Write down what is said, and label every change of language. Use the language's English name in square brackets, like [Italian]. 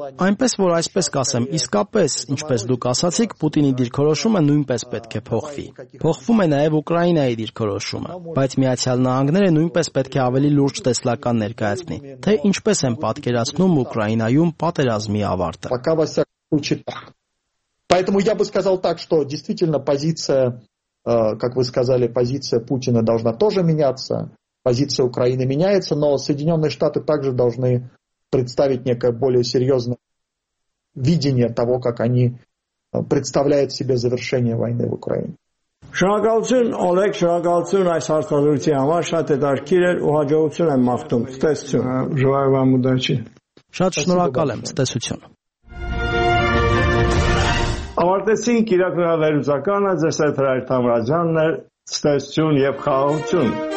[Armenian] Այնպես որ, այսպես կասեմ, իսկապես, ինչպես դուք ասացիք, Պուտինի դիրքորոշումը նույնպես պետք է փոխվի։ Փոխվում է նաև Ուկրաինայի դիրքորոշումը, բայց Միացյալ Նահանգները նույնպես պետք է ավելի լուրջ տեսլական ներկայացնի, թե ինչպես են պատկերացնում Ուկրաինայում պատերազմի ավարտը։ [Russian] Поэтому я бы сказал так, что действительно позиция, как вы сказали, позиция Путина должна тоже меняться, позиция Украины меняется, но Соединенные Штаты также должны представить некое более серьезное видение того, как они представляют себе завершение войны в Украине. [Armenian] Շնորհակալություն, Օլեգ, շնորհակալություն այս հարցազրույցի համար, շատ հետաքրքիր էր ու հաջողություն եմ մաղթում, ցտեսություն։ [Russian] Желаю вам удачи. [Armenian] Շատ շնորհակալ եմ, ցտեսություն։ Ավարտեցինք իրաքնահայերուսականը, ձեզ հետ Հրայր Թամրազյանն էր, ցտեսություն և խաղաղություն։